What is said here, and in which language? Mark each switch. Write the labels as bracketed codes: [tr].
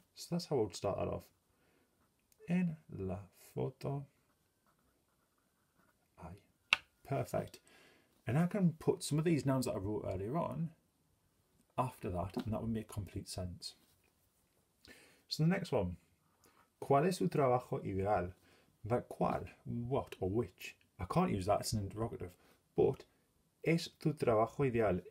[en] So that's how I would start that off. [es] En la foto. [en] Aye. Perfect. And I can put some of these nouns that I wrote earlier on after that, and that would make complete sense. So the next one. [es] ¿Cuál es su trabajo ideal? [en] That cuál, what or which? I can't use that, it's an interrogative. But, [es] ¿es tu trabajo ideal?